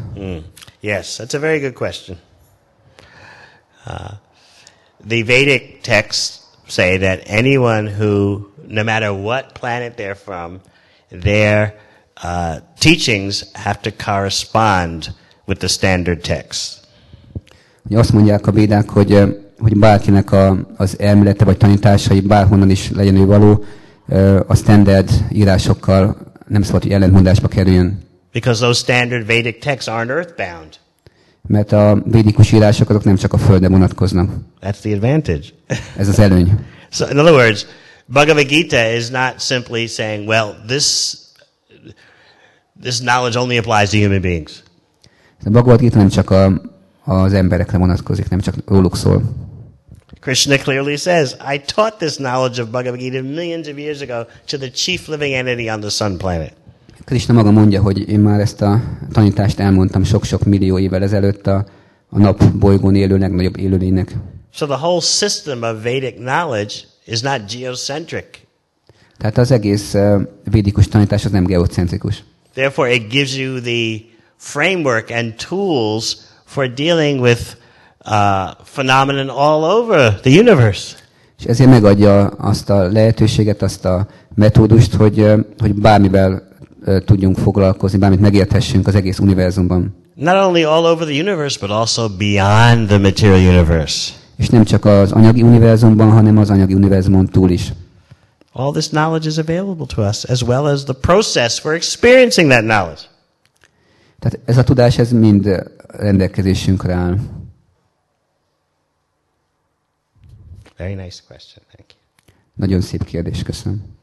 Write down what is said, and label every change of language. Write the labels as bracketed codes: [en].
[en] Mm. Yes, that's a very good question. The Vedic texts say that anyone who, no matter what planet they're from, their teachings have to correspond with the standard texts. [hu] Azt mondják a védák, hogy bárkinek az elmélete vagy tanításai, bárhonnan is legyen ő való, a standard írásokkal nem szabad, hogy ellentmondásba kerüljön. [en] Because those standard Vedic texts aren't earthbound. [hu] Mert a védikus írások azok nem csak a földre vonatkoznak. [en] That's the advantage. [hu] Ez az előny. [en] So in other words, Bhagavad Gita is not simply saying, well, this This knowledge only applies to human beings. [hu] A Bhagavad Gita nem csak az emberekre vonatkozik, nem csak róluk szól. [en] Krishna clearly says, I taught this knowledge of Bhagavad Gita millions of years ago to the chief living entity on the sun planet. [hu] Krishna maga mondja, hogy én már ezt a tanítást elmondtam sok-sok millió évvel ezelőtt a nap bolygón élő legnagyobb élőlénynek. [en] So the whole system of Vedic knowledge is not geocentric. [hu] Tehát az egész védikus tanítás az nem geocentrikus. [en] Therefore it gives you the framework and tools for dealing with phenomenon all over the universe. [hu] És ezért megadja azt a lehetőséget, azt a metódust, hogy bármivel tudjunk foglalkozni, bármit megérthessünk az egész univerzumban. [en] Not only all over the universe, but also beyond the material universe. [hu] És nem csak az anyagi univerzumban, hanem az anyagi univerzumon túl is. [en] All this knowledge is available to us, as well as the process for experiencing that knowledge. [hu] Tehát ez a tudás, ez mind rendelkezésünkre áll. [en] Very nice question, thank you. [hu] Nagyon szép kérdés, köszönöm.